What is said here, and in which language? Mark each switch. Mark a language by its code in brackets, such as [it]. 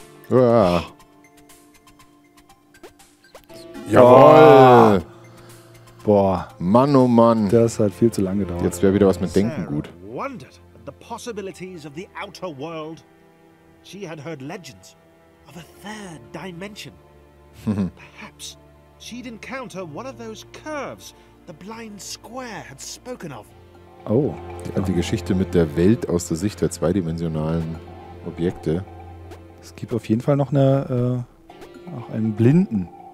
[de] Ja. Jawoll! Boah. Mann, oh Mann. Das hat viel zu lange gedauert. Jetzt wäre wieder was mit Denken gut. [en] Sarah wondered at the possibilities of the outer world. She had heard legends of a third dimension. Perhaps she'd encounter one of those curves the blind square had spoken of. Oh. [de] Die alte Geschichte mit der Welt aus der Sicht der zweidimensionalen Objekte. Es gibt auf jeden Fall noch eine, auch einen Blinden.